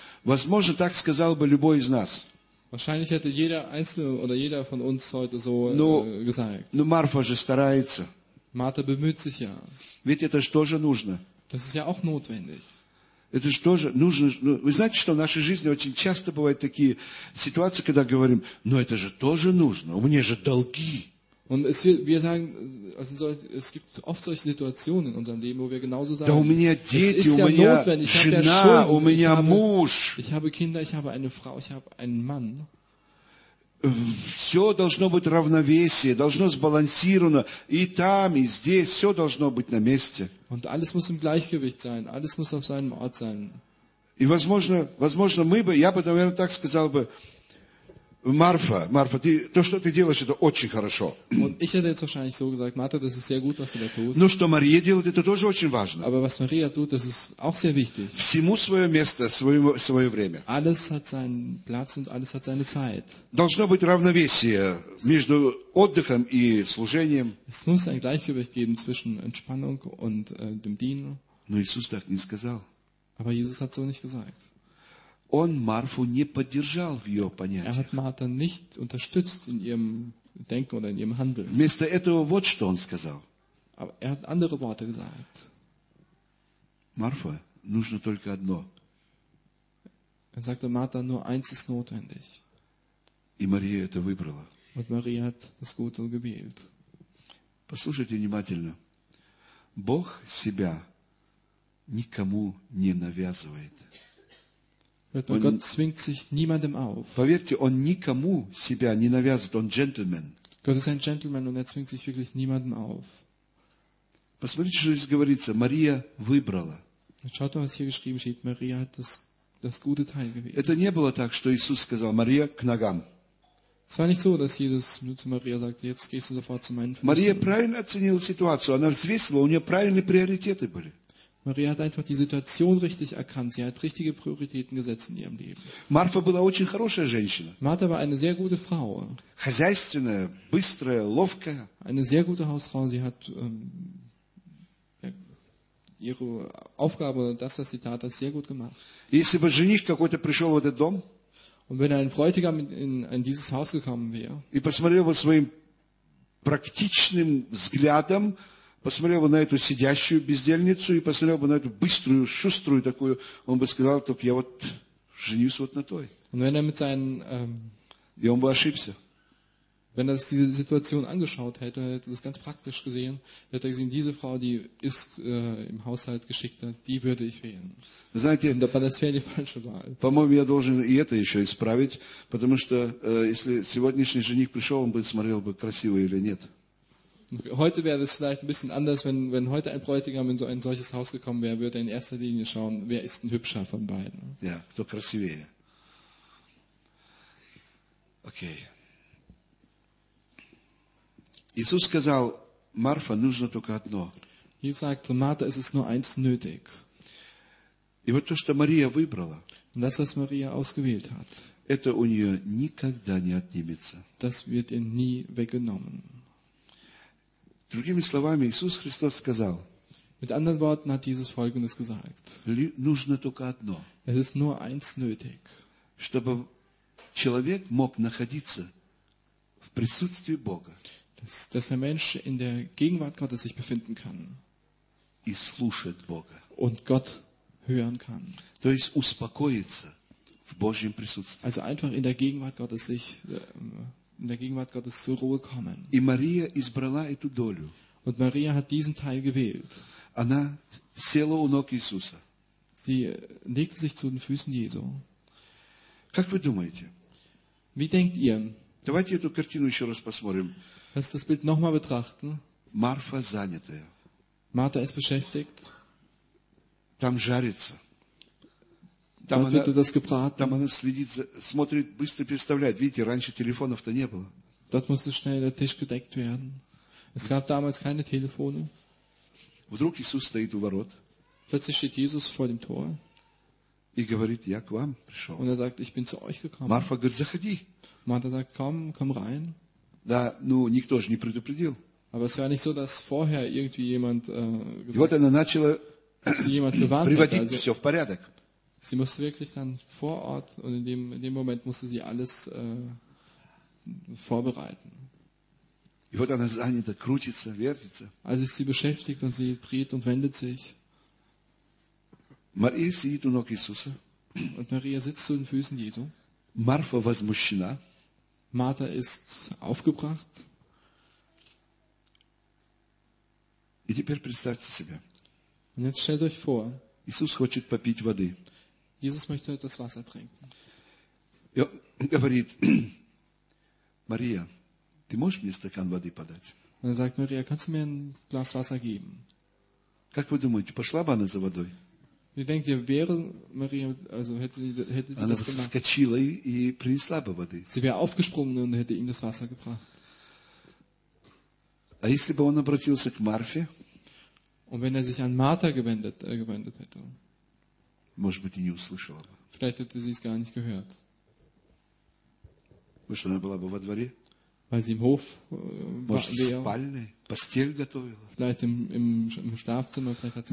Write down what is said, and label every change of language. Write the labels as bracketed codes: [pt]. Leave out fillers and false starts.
[ru] Возможно, так сказал бы любой из нас. [de] Wahrscheinlich hätte jeder Einzelne oder jeder von uns heute so gesagt. [ru] Но Марфа же старается. [de] Martha bemüht sich ja. [ru] Ведь это же тоже нужно. [de] Das ist ja auch notwendig. [ru] Это же тоже нужно. Ну, вы знаете, что в нашей жизни очень часто бывают такие ситуации, когда говорим, но это же тоже нужно, у меня же долги. [de] Und es wird, wir sagen, also es gibt oft solche Situationen in unserem Leben, wo wir genauso sagen, [ru] да, у меня дети, у меня жена, у меня муж. [de] Ich habe Kinder, ich habe eine Frau, ich habe einen Mann. [ru] Все должно быть равновесие, должно сбалансировано. И там, и здесь, все должно быть на месте. [de] Und alles muss im Gleichgewicht sein, alles muss auf seinem Ort sein. [ru] И возможно, возможно, мы бы, я бы, наверное, так сказал бы, Марфа, Марфа, ты, то, что ты делаешь, это очень хорошо. [de] Und ich hätte jetzt wahrscheinlich so gesagt, Martha, das ist sehr gut, was du da tust. [ru] Но что Мария делает, это тоже очень важно. [de] Aber was Maria tut, das ist auch sehr wichtig. [ru] Всему свое место, свое время. [de] Alles hat seinen Platz und alles hat seine Zeit. [ru] Должно быть равновесие между отдыхом и служением. [de] Es muss ein Gleichgewicht geben zwischen Entspannung und dem Dienen. [ru] Но Иисус так не сказал. [de] Aber Jesus hat so nicht gesagt. [ru] Он Марфу не поддержал в ее понятиях. [de] Er hat Martha nicht unterstützt in ihrem Denken oder in ihrem Handeln. [ru] Вместо этого вот что он сказал. [de] Aber er hat andere Worte gesagt. [ru] Марфа, нужно только одно. [de] Er sagte, Martha, nur eins ist notwendig. [ru] И Мария это выбрала. [de] Und Maria hat das Gute gewählt. [ru] Послушайте внимательно. Бог себя никому не навязывает. [de] Он, Gott zwingt sich niemandem auf. [ru] Поверьте, он никому себя не навязывает, он джентльмен. [de] Gott ist ein Gentleman und er zwingt sich wirklich niemandem auf. [ru] Посмотрите, что здесь говорится. Мария выбрала. [de] Schaut mal, was hier geschrieben steht. Maria hat das gute Teil gewählt. [ru] Это не было так, что Иисус сказал, Мария, к ногам. [de] Es war nicht so, dass Jesus nur zu Maria sagte, jetzt gehst du sofort zu meinen Füßen. [ru] Мария правильно оценила ситуацию. Она взвесила, у нее правильные приоритеты были. [de] Maria hat einfach die Situation richtig erkannt. Sie hat richtige Prioritäten gesetzt in ihrem Leben. [ru] Марфа была очень хорошая женщина. [de] Martha war eine sehr gute Frau. [ru] Хозяйственная, быстрая, ловкая. [de] Eine sehr gute Hausfrau. Sie hat ihre Aufgabe, das, was sie tat, hat sehr gut gemacht. [ru] Если бы жених какой-то пришел в этот дом, [de] und wenn ein Bräutigam in dieses Haus gekommen wäre, [ru] и посмотрел бы своим практичным взглядом, посмотрел бы на эту сидящую бездельницу и посмотрел бы на эту быструю, шуструю такую, он бы сказал, только я вот женюсь вот на той. [de] Und wenn er mit seinen, [ru] и он бы ошибся. [de] Wenn er die Situation angeschaut hätte, hätte er das ganz praktisch gesehen, hätte er gesehen, diese Frau, die ist im Haushalt geschickt, die würde ich wählen. [ru] Знаете, [de] und das wäre die falsche Wahl. [ru] По-моему, я должен и это еще исправить, потому что если сегодняшний жених пришел, он бы смотрел бы, красиво или нет. [de] Heute wäre es vielleicht ein bisschen anders, wenn heute ein Bräutigam in so ein solches Haus gekommen wäre, würde er in erster Linie schauen, wer ist ein hübscher von beiden. [ru] Ja, кто красивее. Okay. Иисус сказал, Марфа, нужно только одно. [de] Jesus sagte, Martha, es ist nur eins nötig. [ru] И вот то, что Мария выбрала. [de] Und das, was Maria ausgewählt hat. [ru] Это у нее никогда не отнимется. [de] Das wird ihr nie weggenommen. [ru] Другими словами, Иисус Христос сказал. [de] Mit anderen Worten hat Jesus Folgendes gesagt. [ru] Нужно только одно. [de] Es ist nur eins nötig. [ru] Чтобы человек мог находиться в присутствии Бога. [de] Dass der Mensch in der Gegenwart Gottes sich befinden kann. [ru] И слушать Бога. [de] Und Gott hören kann. [ru] То есть успокоиться в Божьем присутствии. [de] Also einfach in der Gegenwart Gottes sich in der Gegenwart Gottes zur Ruhe kommen. [ru] И Мария избрала эту долю. [de] Und Maria hat diesen Teil gewählt. [ru] Она села у ног Иисуса. [de] Sie legte sich zu den Füßen Jesu. [ru] Как вы думаете? [de] Wie denkt ihr? [ru] Давайте эту картину еще раз посмотрим. [de] Lass das Bild nochmal betrachten. [ru] Марфа занятая. [de] Martha ist beschäftigt. [ru] Там жарится. Там вот это разгребает. Там она следит, смотрит, быстро представляет. Видите, раньше телефонов-то не было. [de] Dort musste schnell der Tisch gedeckt werden. Es gab damals keine Telefone. [ru] Вдруг Иисус стоит у ворот. [de] Plötzlich steht Jesus vor dem Tor. [ru] И говорит, я к вам пришел. [de] Und sagt, ich bin zu euch gekommen. [ru] Марфа говорит, заходи. [de] Martha sagt, komm, komm rein. [ru] Да, ну никто же не предупредил. [de] Aber es war nicht so, dass vorher irgendwie jemand [ru] gesagt, вот она начала приводить [de] also, [ru] все в порядок. [de] Sie musste wirklich dann vor Ort und in dem Moment musste sie alles vorbereiten. [ru] И вот она занята, крутится, вертится. [de] Also ist sie beschäftigt und sie dreht und wendet sich. [ru] Мария сидит у ног Иисуса. [de] Und Maria sitzt zu den Füßen Jesu. [ru] Марфа возмущена. [de] Martha ist aufgebracht. [ru] И теперь представьте себе. [de] Und jetzt stellt euch vor. [ru] Иисус хочет попить воды. [de] Jesus möchte das Wasser trinken. [ru] Ja, говорит, Maria, ты можешь мне стакан воды подать? [de] Und er sagt, Maria, kannst du mir ein Glas Wasser geben? [ru] Как вы думаете, пошла бы она за водой? [de] Wie denkt ihr, wäre Maria, also hätte sie [ru] она [de] das gemacht? [ru] Скочила и принесла бы воды. [de] Sie wäre aufgesprungen und hätte ihm das Wasser gebracht. [ru] А если бы он обратился к Марфе? [de] Und wenn er sich an Martha gewendet hätte? [ru] Может быть, и не услышала бы. [de] Vielleicht hätte sie es gar nicht gehört. [ru] Потому что она была бы во дворе. [de] Weil sie im Hof [ru] может, в спальне, постель готовила. [de] Vielleicht im Schlafzimmer, vielleicht hat sie